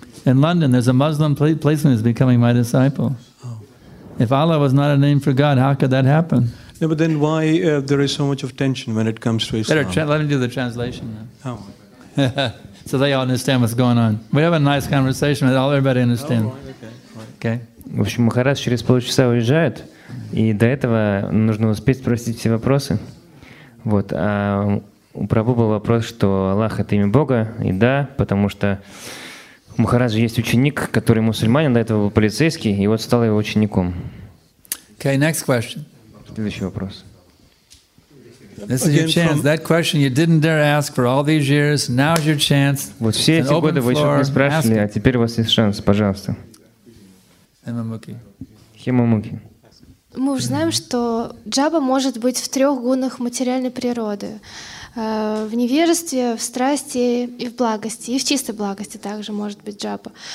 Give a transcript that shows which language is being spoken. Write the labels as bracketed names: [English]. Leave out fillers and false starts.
[English] In London, there's a Muslim policeman who's becoming my disciple. Oh. If Allah was not a name for God, how could that happen? No, but then why there is so much of tension when it comes to Islam? Let me do the translation now. Oh. So they all understand what's going on. We have a nice conversation, but all everybody understands. Okay. [Russian] В общем, Махарадж через полчаса уезжает, и до этого нужно успеть спросить все вопросы. Вот. А у Прабу был вопрос, что Аллах — это имя Бога, и да, потому что у Махараджа есть ученик, который мусульманин, до этого был полицейский, и вот стал его учеником. [English] Okay, next question. [Russian] Следующий вопрос. [English] This is your chance. That question you didn't dare ask for all these years. Now's your chance. [Russian] Вот все эти годы вы еще не спрашивали, а теперь у вас есть шанс, пожалуйста. Хемамуки. Мы уже знаем, что джаба может быть в трех гунах материальной природы. В невежестве, в страсти и в благости. И в чистой благости также может быть джапа.